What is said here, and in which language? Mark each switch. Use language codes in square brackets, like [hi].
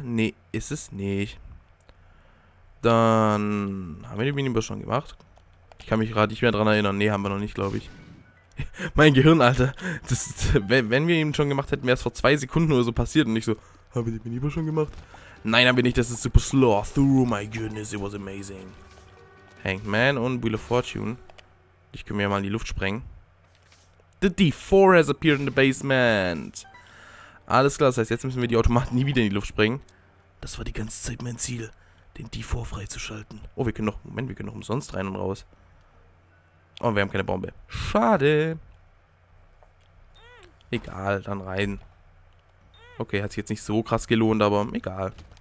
[de] Nee, ist es nicht. Dann haben wir den Minibus schon gemacht. Ich kann mich gerade nicht mehr daran erinnern. Nee, haben wir noch nicht, glaube ich. Mein Gehirn, Alter. Wenn wir ihn schon gemacht hätten, wäre es vor 2 Sekunden oder so passiert. Und ich so, haben wir den Minibus schon gemacht? Nein, haben wir nicht. Das ist super slow. [en] Through my goodness, it was amazing. Hangman und Wheel of Fortune. [de] Ich kann mir mal in die Luft sprengen. [en] The D4 has appeared in the basement. [de] Alles klar, das heißt, jetzt müssen wir die Automaten nie wieder in die Luft sprengen. Das war die ganze Zeit mein Ziel, den D4 freizuschalten. Oh, wir können noch umsonst rein und raus. Oh, wir haben keine Bombe. Schade. Egal, dann rein. Okay, hat sich jetzt nicht so krass gelohnt, aber egal.